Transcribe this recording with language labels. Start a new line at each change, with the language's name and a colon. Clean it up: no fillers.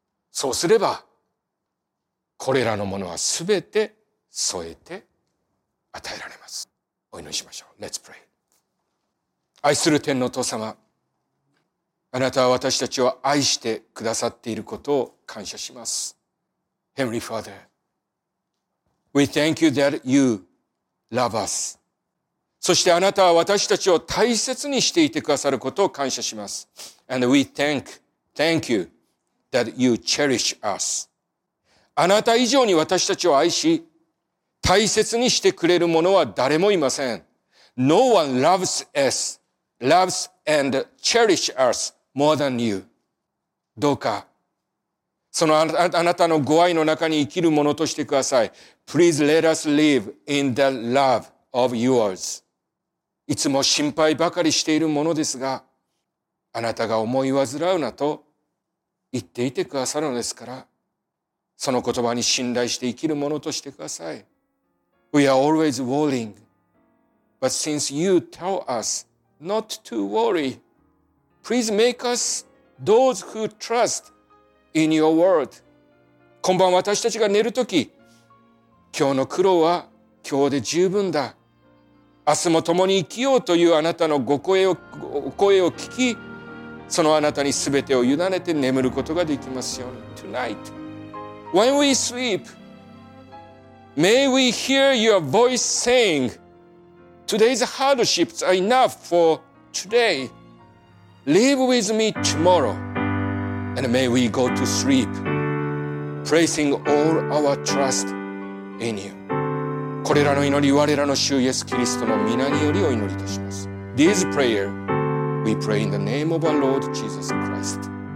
Japanese: そうすれば、これらのものはすべて添えて与えられます。お祈りしましょう。
English: Let's pray。
Japanese: 愛する天の父様、あなたは私たちを愛してくださっていることを感謝します。
English: Heavenly Father, we thank you that you love us.
Japanese: そしてあなたは私たちを大切にしていてくださることを感謝します。
English: And we thank you that you cherish us.
Japanese: あなた以上に私たちを愛し、大切にしてくれるものは誰もいません。
English: No one loves us, loves and cherish us more than you.
Japanese: どうか、そのあなたのご愛の中に生きるものとしてください。
English: Please let us live in the love of yours.
Japanese: いつも心配ばかりしているものですが、あなたが思い患うなと言っていてくださるのですから、その言葉に信頼して生きるものとしてください。
English: We are always worrying, but since you tell us not to worry, please make us those who trust in your word.
Japanese: 今晩私たちが寝るとき、今日の苦労は今日で十分だ。明日も共に生きようというあなたのお声を聞き、そのあなたにすべてを委ねて眠ることができますように。
English: Tonight, when we sleep, may we hear your voice saying, Today's hardships are enough for today. Live with me tomorrow. And may we go to sleep, placing all our trust in you.
Japanese: これらの祈り、我らの主イエス・キリストの御名によりお祈りいたします。
English: This prayer, we pray in the name of our Lord Jesus Christ.